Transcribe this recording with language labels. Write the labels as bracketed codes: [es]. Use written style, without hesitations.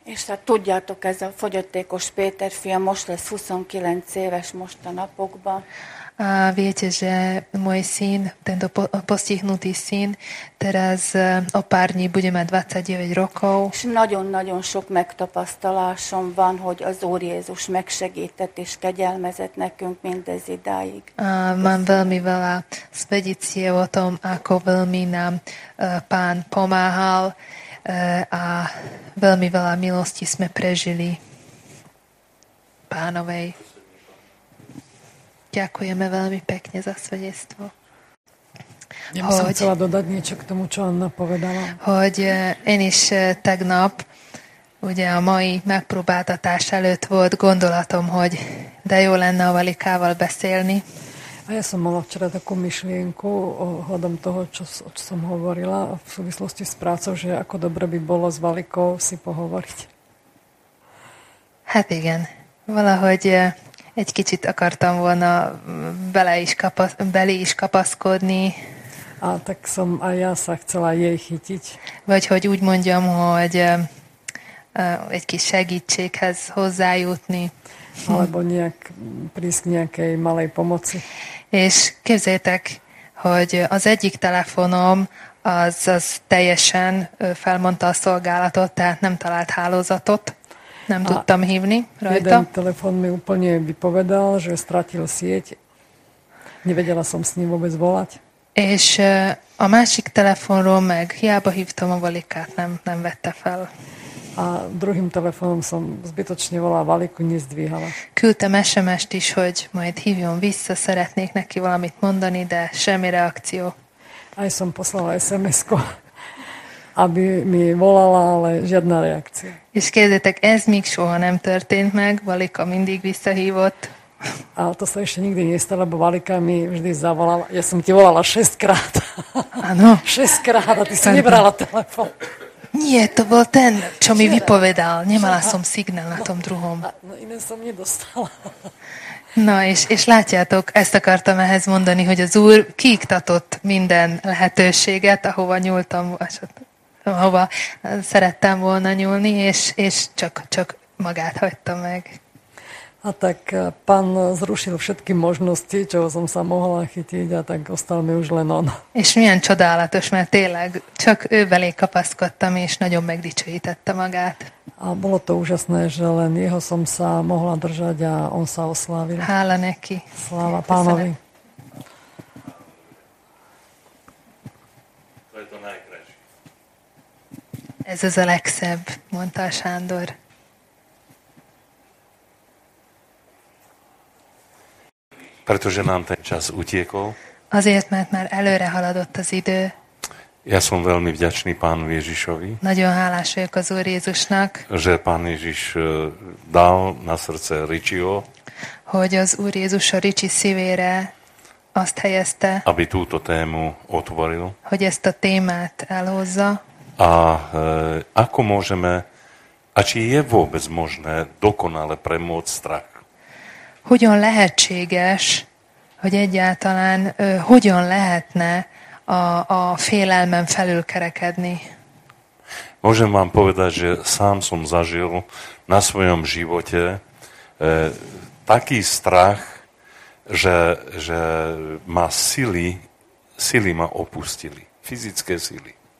[hu] Ešte tudjátok, ez a fogyatékos Péter fia most lesz 29 éves most a napokban. [sk] A viete, že môj syn, tento postihnutý syn, teraz o pár dní bude mať 29 rokov. És nagyon-nagyon sok megtapasztalásom van, hogy az Úr Jézus megsegített és kegyelmezett nekünk mindez idáig. A mám veľmi veľa svedicie o tom, ako veľmi nám Pán pomáhal a veľmi veľa milosti sme prežili Pánovej. Ďakujeme veľmi pekne za svedectvo. Ja by som chcela dodať niečo k tomu, čo Anna povedala. [hu] Hoď eniš tegnap, ugye a mai megpróbáltatás előtt volt gondolatom, hogy de jó lenne a Valikával beszélni. [sk] A ja som mala včera takú myšlienku ohľadom toho, čo som hovorila v súvislosti s prácou, že ako dobre by bolo s Valikou si pohovoriť. [hu] Hát igen. Valahogy egy kicsit akartam volna belé is kapaszkodni. [sk] A tak som aj ja sa chcela jej chytiť. [hu] Vagy hogy úgy mondjam, hogy egy kis segítséghez hozzájutni. [sk] Alebo nejak prísť k nejakej malej pomoci. [hu] És képzeljétek, hogy az egyik telefonom az teljesen felmondta a szolgálatot, tehát nem talált hálózatot. Nem tudtam hívni rajta. [sk] Jeden telefon mi úplne vypovedal, že stratil sieť. Nevedela som s ním vôbec volať. [hu] És a másik telefonról meg hiába hívtam a Valikát, nem vette fel. [sk] A druhým telefonom som zbytočne volala Valiku, nezdvíhala. [hu] Küldtem SMS-t is, hogy majd hívjon vissza, szeretnék neki valamit mondani, de semmi reakció. [sk] Aj som poslala SMS-ko, aby mi volala, ale žiadna reakcia. [hu] És kérdétek, ez még soha nem történt meg, Valika mindig visszahívott. [sk] A to sa ešte nikdy nestalo, lebo Valika mi vždy zavolala. Ja som ti volala 6 krát. Áno. 6 krát a ty si nebrala telefon. Nie, to bol ten, čo mi vypovedal. Nemala som signál na tom druhom. No iné som nedostala. [hu] No és látjátok, ezt akartam ehhez mondani, hogy az Úr kiiktatott minden lehetőséget, ahova nyúltam, ahova szerettem volna nyúlni, és csak magát hagyta meg. [sk] A tak Pán zrušil všetky možnosti, čoho som sa mohla chytiť, a tak ostal mi už len on. [hu] És milyen csodálatos, mert tényleg csak ő belé kapaszkodtam, és nagyon megdicsőítette magát. [sk] A bolo to úžasné, že len jeho som sa mohla držať a on sa oslávil. [hu] Hála neki. [sk] Sláva Pánovi. [hu] Ez az a legszebb, mondta a Sándor. [sk] Pretože nám ten čas utiekol. [hu] Azért, mert már előre haladott az idő. [sk] Ja som veľmi vďačný Pánu Ježišovi. [hu] Nagyon hálás vagyok az Úr Jézusnak. [sk] Že Pán Ježiš dal na srdce Ricsio. [hu] Hogy az Úr Jézus a Ricsi szívére azt helyezte. [sk] Aby túto tému otvoril. [hu] Hogy ezt a témát elhozza. [sk] A ako môžeme, a či je vôbec možné dokonale premôcť strach? [hu] Hogyan lehetséges, hogy egyáltalán hogyan lehetne a félelmen felül kerekedni? [sk] Môžem vám povedať, že sám som zažil na svojom živote taký strach, že ma sily ma opustili, fyzické sily.